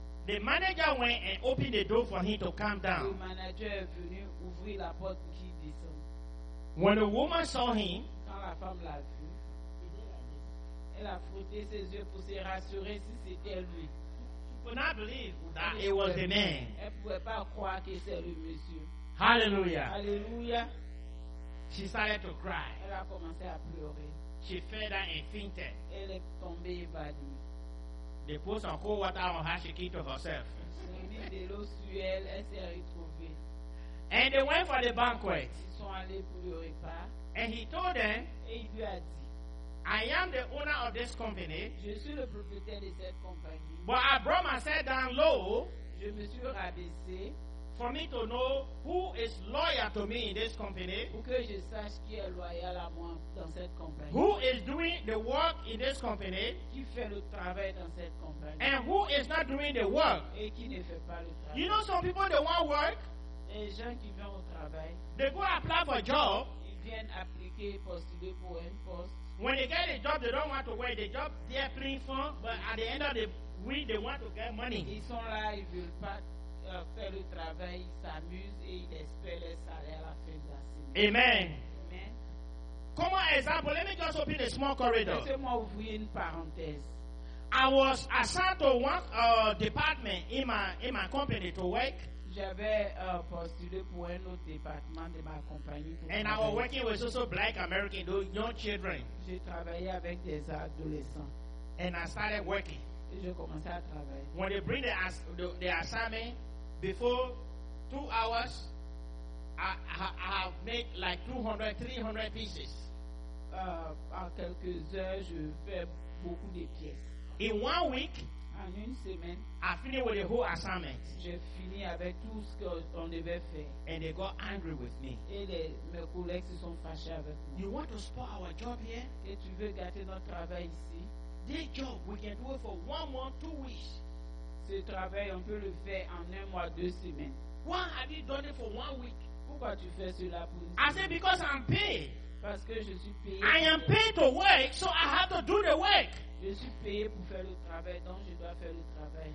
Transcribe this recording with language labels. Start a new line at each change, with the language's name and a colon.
English: the manager went and opened the door for him to calm down.
French: Le manager est venu ouvrir la porte pour qu'il descende.
English: When the woman saw him,
French: quand la femme l'a vu, elle a frotté ses yeux pour se rassurer si c'était lui.
English: She could not believe that it was the man.
French: Elle pouvait pas croire que c'est le monsieur.
English: Hallelujah.
French: Hallelujah.
English: She started to cry.
French: Elle a commencé à pleurer.
English: She fell down and fainted.
French: Elle est tombée évanouie.
English: They put some cold water on her. She came to herself.
French: Elle s'est retrouvée.
English: And they went for the banquet.
French: Ils sont allés pour le repas.
English: And he told them,
French: et il lui a dit,
English: I am the owner of this company.
French: Je suis le propriétaire de cette compagnie.
English: But I brought myself down low.
French: Je me suis rabaissé.
English: For me to know who is loyal to me in this company.
French: Pour que je sache qui est loyal à moi dans cette compagnie.
English: Who is doing the work in this company.
French: Qui fait le travail dans cette compagnie.
English: And who is not doing the work.
French: Et qui ne fait pas le travail.
English: You know some people, they want work.
French: Les gens qui viennent au travail.
English: They go apply for a job.
French: Ils viennent appliquer, postuler pour un poste.
English: When they get a job, they don't want to work. The job, they are playing fun. But at the end of the week, they want to get money.
French: Ils sont là, ils veulent pas. Fait le travail, il s'amuse et il espère le salaire à la fin de la semaine.
English: Amen.
French: Amen. Comme exemple,
English: let me just open a small corridor.
French: Laissez-moi ouvrir une parenthèse.
English: I was assigned to one department in my company to work.
French: J'avais postulé pour un autre département de ma compagnie.
English: And I was working with also black American, those young children.
French: J'ai travaillé avec des adolescents.
English: And I started working.
French: Et je commençais à travailler.
English: When they bring the assignment, before 2 hours, I have made like 200-300 pieces.
French: En quelques heures, je fais beaucoup de pièces.
English: In 1 week,
French: en une semaine,
English: I finished with the whole assignment.
French: J'ai fini avec tout ce qu'on devait faire.
English: And they got angry with me.
French: Et mes collègues se sont fâchés avec moi.
English: You want to spoil our job here?
French: Et tu veux gâter notre travail ici?
English: This job, we can do it for 1 month, 2 weeks.
French: Ce travail, on peut le faire en 1 mois, 2 semaines.
English: Why have you done it for 1 week?
French: Pourquoi tu fais cela pour une semaine?
English: I said, because I'm paid.
French: Parce que je suis payé.
English: I am paid to work, so I have to do the work.
French: Je suis payé pour faire le travail, donc je dois faire le travail.